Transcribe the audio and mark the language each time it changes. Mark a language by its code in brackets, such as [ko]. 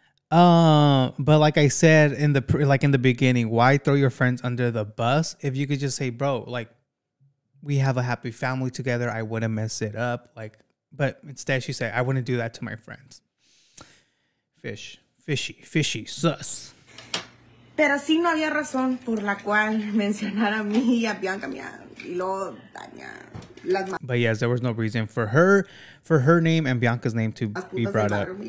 [en] But like I said in the beginning, why throw your friends under the bus if you could just say, bro, like, we have a happy family together. I wouldn't mess it up. Like, but instead she said, I wouldn't do that to my friends. Fishy, sus. [es] Pero sí no había razón por la cual mencionar a mí y a Bianca, mía, y luego Dania. [en] But yes, there was no reason for her name and Bianca's name to be brought up.